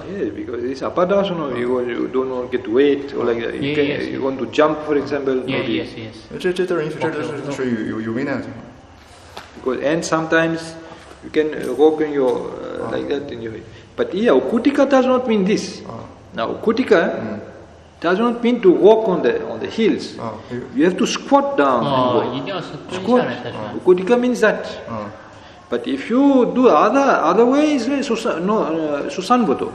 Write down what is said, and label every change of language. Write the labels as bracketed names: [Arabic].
[English] Yeah, because it's apadasana, you don't want to get wet or like that. Yes. You want to jump, for example. Yes. [Chinese] 这都是因为这是有危难的。 [English] Because and sometimes you can walk in your like that in your way. But yeah, ukutika does not mean this. Now ukutika does not mean to walk on the hills. You have to squat down. [Chinese] 一定要是蹲下来才算。 [English] Ukutika means that. But if you do other ways, Susanvoto.